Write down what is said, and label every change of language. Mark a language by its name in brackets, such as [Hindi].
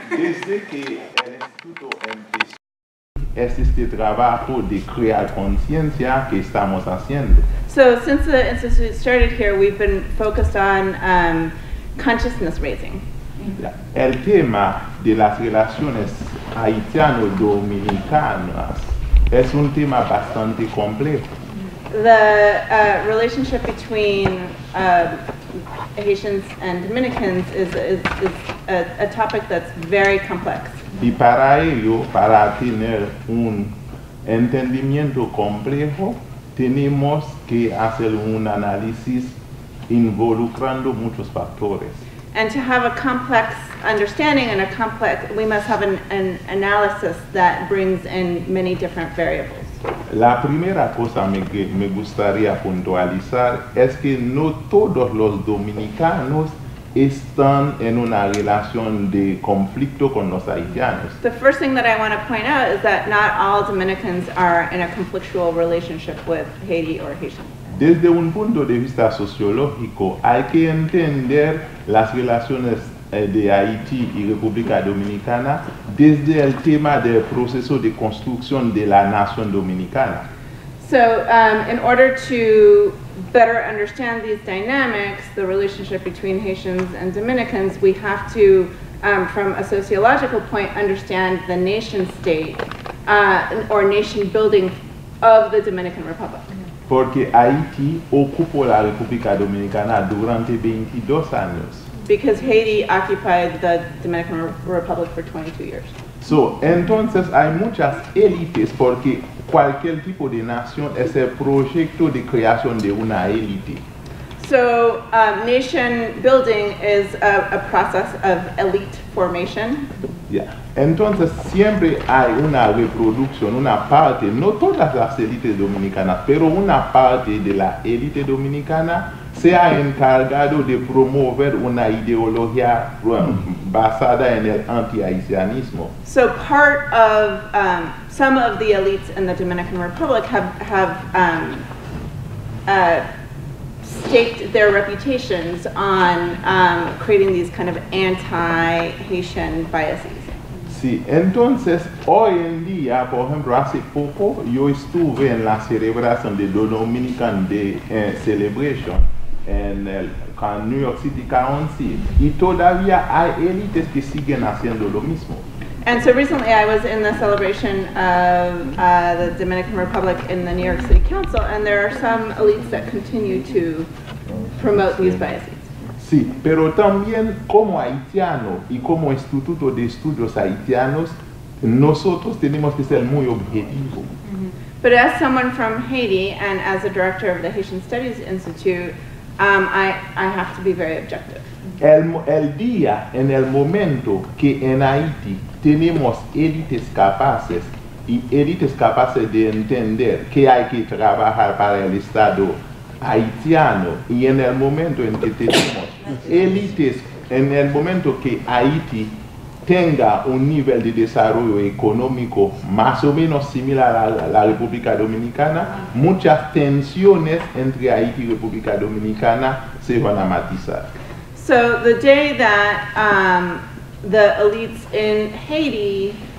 [Spanish] Desde que el instituto empezó, es este trabajo de crear conciencia que estamos haciendo. [English] So since the institute started here, we've been focused on consciousness raising. [Spanish] El tema de las relaciones haitiano-dominicanas es un tema bastante complejo. [English] The relationship between Haitians and Dominicans is a topic that's very complex. [Spanish] Y para ello, para tener un entendimiento complejo, tenemos que hacer un análisis involucrando muchos factores. [English] And to have a complex understanding and a complex, we must have an analysis that brings in many different variables. [Spanish] La primera cosa que me gustaría puntualizar es que no todos los dominicanos están en una relación de conflicto con los haitianos. [English] The first thing that I want to point out is that not all Dominicans are in a conflictual relationship with Haiti or Haitians. [Spanish] Desde un punto de vista sociológico, hay que entender las relaciones de Haití y República Dominicana desde el tema del proceso de construcción de la nación dominicana. [English] So, in order to better understand these dynamics, the relationship between Haitians and Dominicans, we have to, from a sociological point, understand the nation state or nation building of the Dominican Republic. [Spanish] Porque Haití ocupó la República Dominicana durante 22 años. [English] Because Haiti occupied the Dominican Republic for 22 years. [Spanish] So, entonces hay muchas élites porque cualquier tipo de nación es el proyecto de creación de una élite. [English] So, nation building is a process of elite formation. Yeah. [Spanish] Entonces siempre hay una reproducción, una parte, no todas las élites dominicanas, pero una parte de la élite dominicana se ha encargado de promover una ideología basada en el anti-haitianismo. [English] So part of some of the elites in the Dominican Republic have staked their reputations on creating these kind of anti-Haitian biases. [Spanish] Sí, entonces hoy en día, por ejemplo, hace poco yo estuve en la celebración de Dominican Day Celebration en el New York City Council, y todavía hay élites que siguen haciendo lo mismo. [English] And so recently I was in the celebration of the Dominican Republic in the New York City Council, and there are some elites that continue to promote these biases. [Spanish] Sí, pero también como haitiano y como Instituto de Estudios Haitianos, nosotros tenemos que ser muy objetivos. Mm-hmm. [English] But as someone from Haiti and as a director of the Haitian Studies Institute, I have to be very objective. [Spanish] El día en el momento que en Haití tenemos élites capaces y élites capaces de entender que hay que trabajar para el Estado haitiano y en el momento en que tenemos élites, en el momento que Haití tenga un nivel de desarrollo económico más o menos similar a la República Dominicana, muchas tensiones entre Haití y República Dominicana se van a matizar. [English] So the day that the elites in Haiti